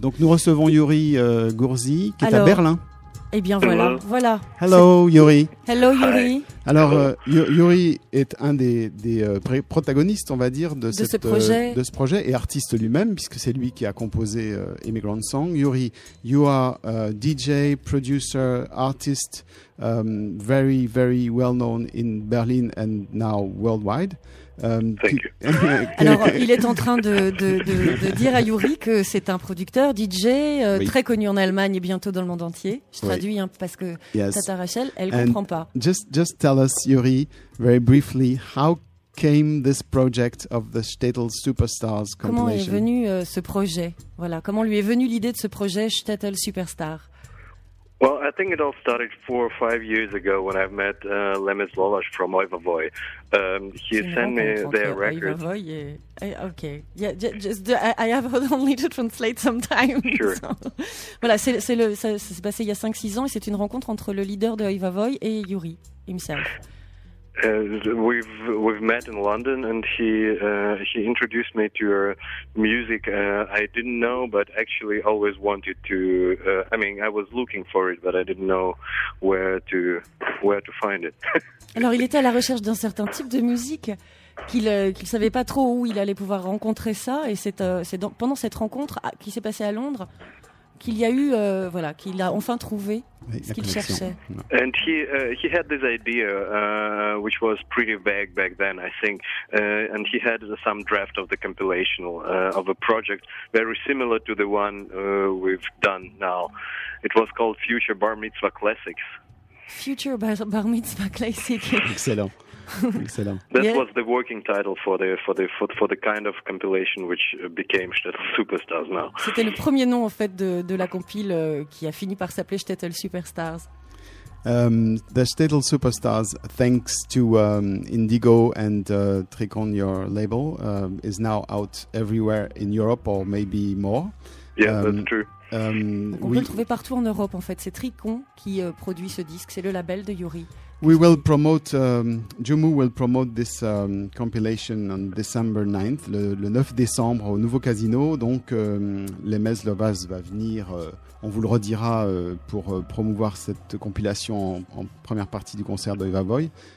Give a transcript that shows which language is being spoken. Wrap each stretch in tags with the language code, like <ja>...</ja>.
<fr>Donc nous recevons Yuri Gurzi, qui est à Berlin. Eh bien voilà. Voilà.</fr> <en>Hello Yuri. Hello Yuri. Hi.</en> <fr>Alors Yuri est un des protagonistes, on va dire, de ce projet et artiste lui-même, puisque c'est lui qui a composé Immigrant Song.</fr> <en>Yuri, you are a DJ, producer, artist, very, very well known in Berlin and now worldwide.</en> <fr>Alors, il est en train de dire à Yuri que c'est un producteur, DJ, très connu en Allemagne et bientôt dans le monde entier. Je traduis parce que Tata Rachel, elle ne comprend pas.</fr> <en>Just tell us, Yuri, very briefly, how came this project of the Shtetl Superstars compilation?</en> <fr>Comment est venu ce projet? Voilà, comment lui est venue l'idée de ce projet Shtetl Superstar?</fr> <en>Well, I think it all started 4 or 5 years ago when I met Lemis Lolas from Oy Vavoy. He sent me their records. I have only to translate sometimes. Sure. So,</en> <fr>voilà, ça s'est passé il y a 5-6 ans et c'est une rencontre entre le leader de Oy Vavoy et</fr> <en>Yuri himself. We've met in London and he introduced me to your music. I didn't know, but actually always wanted to. I was looking for it, but I didn't know where to find it.</en> <fr>Alors, il était à la recherche d'un certain type de musique qu'il savait pas trop où il allait pouvoir rencontrer ça. Et pendant cette rencontre qui s'est passée à Londres. Qu'il y a eu, qu'il a enfin trouvé ce qu'il cherchait.</fr> <en>And he had this idea which was pretty vague back then, I think. And he had some draft of the compilation of a project very similar to the one we've done now. It was called Future Bar Mitzvah Classics. Future Bar Mitzvah Classics. Excellent. Excellent. That was the working title for the kind of compilation which became Shtetl Superstars now.</en> <fr>C'était le premier nom en fait de la compile qui a fini par s'appeler Shtetl Superstars.</fr> <en>The Shtetl Superstars, thanks to Indigo and Tricon, your label, is now out everywhere in Europe or maybe more. Yeah, that's true.</en> <fr>On peut le trouver partout en Europe en fait. C'est Tricon qui produit ce disque. C'est le label de Yuri.</fr> <en>We will promote Jumu will promote this compilation on December 9th,</en> <fr>le 9 décembre au Nouveau Casino. Donc Lemez Lovaz va venir, on vous le redira pour promouvoir cette compilation en première partie du concert de Oy Vavoy.</fr>